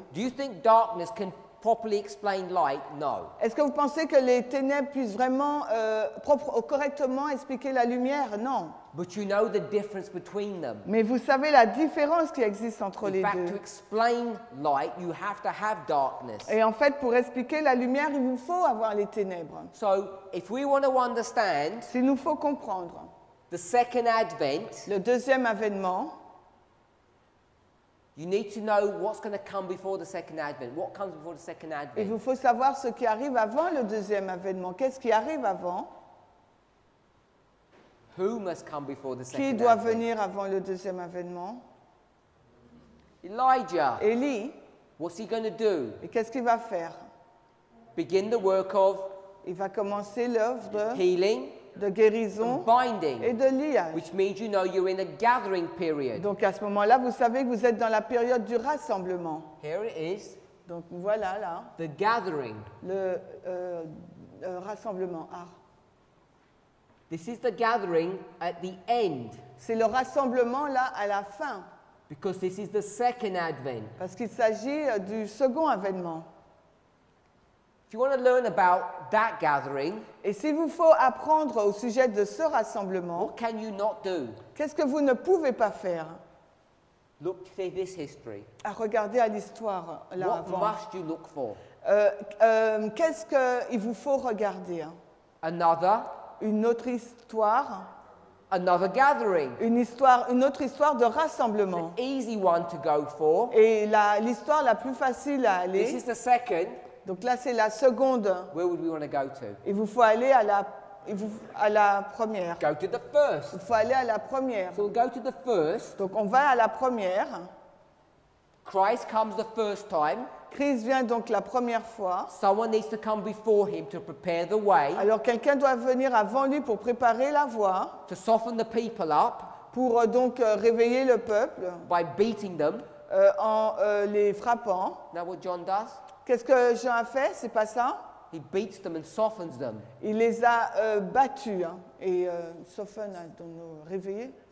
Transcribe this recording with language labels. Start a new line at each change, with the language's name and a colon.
English: Do you think darkness can properly explain light? No.
French: Est-ce que vous pensez que les ténèbres puissent vraiment correctement expliquer la lumière? Non.
English: But you know the difference between them.
French: Mais vous savez la différence qui existe entre les deux.
English: In fact, to explain light, you have to have darkness.
French: Et en fait, pour expliquer la lumière, il vous faut avoir les ténèbres.
English: So, if we want to understand,
French: s'il nous faut comprendre,
English: the second advent,
French: le deuxième avènement.
English: You need to know what's going to come before the second advent. What comes before the second advent?
French: Il vous faut savoir ce qui arrive avant le deuxième avènement. Qu'est-ce qui arrive avant?
English: Who must come before the second
French: advent? Qui doit venir avant le deuxième avènement?
English: Elijah.
French: Élie.
English: What's he going to do?
French: Et qu'est-ce qu'il va faire?
English: Begin the work of.
French: Il va commencer l'œuvre de
English: healing.
French: De guérison
English: binding,
French: et de liage.
English: Which means you know you're in a gathering period.
French: Donc à ce moment-là, vous savez que vous êtes dans la période du rassemblement.
English: Here it is.
French: Donc voilà là.
English: The gathering.
French: Le rassemblement. Ah.
English: This is the gathering at the end.
French: C'est le rassemblement là à la fin.
English: Because this is the second advent.
French: Parce qu'il s'agit du second avènement.
English: If you want to learn about that gathering,
French: et s'il vous faut apprendre au sujet de ce rassemblement,
English: what can you not do?
French: Qu'est-ce que vous ne pouvez pas faire?
English: Look to this history.
French: À regarder à l'histoire là
English: what
French: avant.
English: Must you look for?
French: Qu'est-ce qu'il vous faut regarder?
English: Another.
French: Une autre histoire.
English: Another gathering.
French: Une autre histoire de rassemblement.
English: An easy one to go for.
French: Et l'histoire la plus facile à aller.
English: This is the second.
French: Donc là, c'est la seconde.
English: Where would we want to go to?
French: Il vous faut aller à la première.
English: Go to the first.
French: Il faut aller à la première.
English: So we'll go to the first.
French: Donc on va à la première.
English: Christ comes the first time.
French: Christ vient donc la première fois.
English: Someone needs to come before him to prepare the way.
French: Alors quelqu'un doit venir avant lui pour préparer la voie.
English: To soften the people up.
French: Pour donc réveiller le peuple.
English: By beating them.
French: Les frappant.
English: Now what John does?
French: Qu'est-ce que Jean a fait? C'est pas ça?
English: He beats them and softens them.
French: Il les a battus hein, et soften, donc réveillés.